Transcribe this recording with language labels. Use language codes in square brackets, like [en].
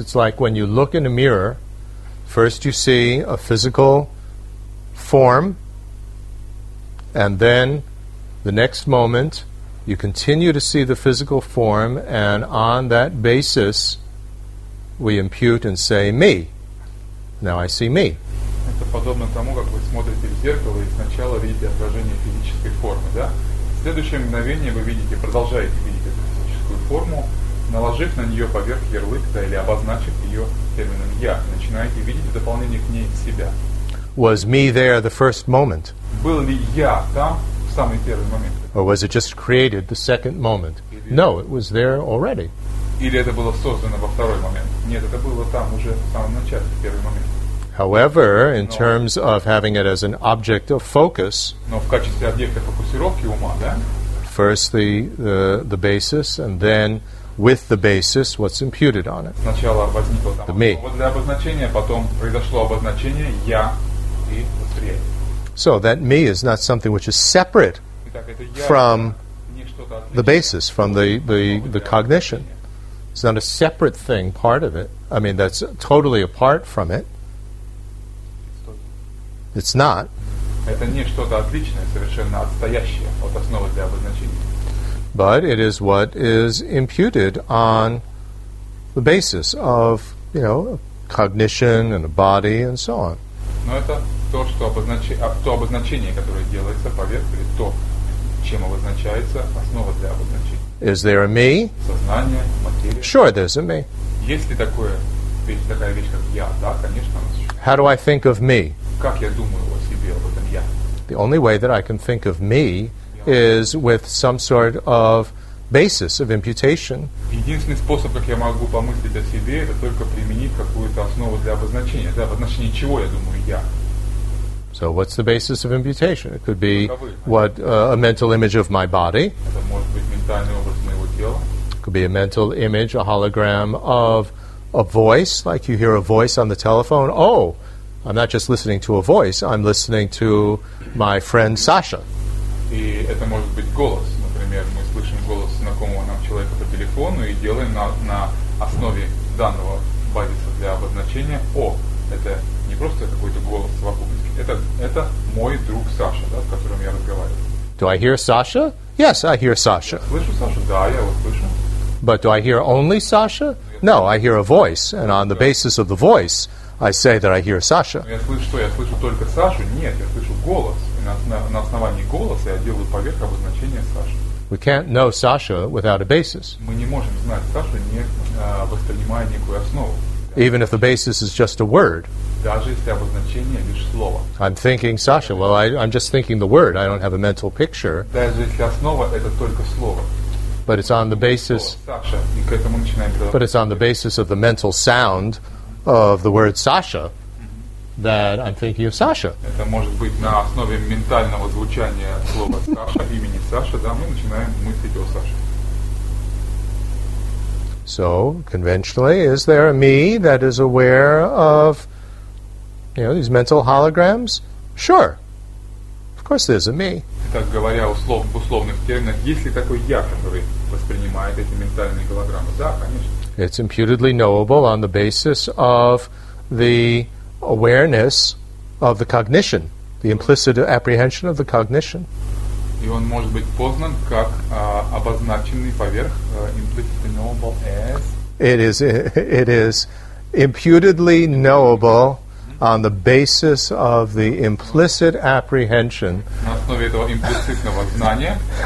[en] It's like when you look in a mirror, first you see a physical form, and then the next moment you continue to see the physical form, and on that basis we impute and say, me. Now I see me. [ru] Это подобно тому, как вы смотрите в зеркало и сначала видите отражение физической формы, да? В следующее мгновение вы видите, продолжаете видеть эту физическую форму, наложив на нее поверх ярлык, да, или обозначив ее термином «я», начинаете видеть в дополнение к ней себя. [en] Was me there the first moment? [ru] Был ли я там в самый первый момент? [en] Or was it just created the second moment? No, it was there already. [ru] Или это было создано во второй момент? Нет, это было там уже в самом начале, в первый момент. [en] However, in terms of having it as an object of focus, [ru] но в качестве объекта фокусировки ума, да? [en] First the basis, and then with the basis, what's imputed on it. [ru] Сначала возникло там [en] the me. [ru] Вот для обозначения, потом произошло обозначение я и восприятие. [en] So that me is not something which is separate from the basis, from the cognition. It's not a separate thing, part of it. I mean, that's totally apart from it. It's not. [ru] Это не что-то отличное, совершенно отстоящее от основы для обозначения. [en] But it is what is imputed on the basis of, you know, cognition and a body and so on. [ru] Но это то, что то обозначение, которое делается поверх, или то, чем обозначается основа для обозначения. [en] Is there a me? [ru] Сознание, материя. [en] Sure, there's a me. [ru] Есть ли такое ведь такая вещь, как я, да, конечно, она существует. [en] How do I think of me? [ru] Как я думаю о себе, об этом я? [en] The only way that I can think of me is with some sort of basis of imputation. [ru] Единственный способ, как я могу помыслить о себе, это только применить какую-то основу для обозначения, да, в отношении чего я думаю я. [en] So what's the basis of imputation? It could be what a mental image of my body. [ru] Это может быть ментальный образ моего тела. [en] Could be a mental image, a hologram of a voice, like you hear a voice on the telephone. Oh, I'm not just listening to a voice, I'm listening to my friend Sasha. [ru] И это может быть голос. Например, мы слышим голос знакомого нам человека по телефону и делаем на основе данного базиса для обозначения «О». Это не просто какой-то голос в совокупности. Это мой друг Саша, да, с которым я разговариваю. [en] Do I hear Sasha? Yes, I hear Sasha. [ru] Слышу Сашу? Да, я его слышу. [en] But do I hear only Sasha? No, I hear a voice, and on the basis of the voice, I say that I hear Sasha. [ru] Я слышу что? Я слышу только Сашу? Нет, я слышу голос. На основании голоса я делаю поверх обозначения Саши. [en] We can't know Sasha without a basis. [ru] Мы не можем знать Сашу, не воспринимая некую основу. [en] Even if the basis is just a word. [ru] Даже если обозначение лишь слово. [en] I'm thinking Sasha. Well, I'm just thinking the word. I don't have a mental picture. [ru] Даже если основа – это только слово. [en] But it's on the basis. [ru] Саша. И к этому начинаем. [en] But it's on the basis of the mental sound of the word Sasha. That I'm thinking of Sasha. [ru] Это может быть на основе ментального звучания слова Саша, имени Саша, да, мы начинаем мыслить о Саше. [en] So, conventionally, is there a me that is aware of, you know, these mental holograms? Sure. Of course there's a me. [ru] Так говоря, в условных терминах, есть ли такой я, который воспринимает эти ментальные голограммы? Да, конечно. [en] It's imputedly knowable on the basis of the awareness of the cognition, the implicit apprehension of the cognition. [ru] И он может быть познан как обозначенный поверх [en] implicitly knowable as. It is imputedly knowable on the basis of the implicit apprehension. [ru] На основе этого имплицитного знания.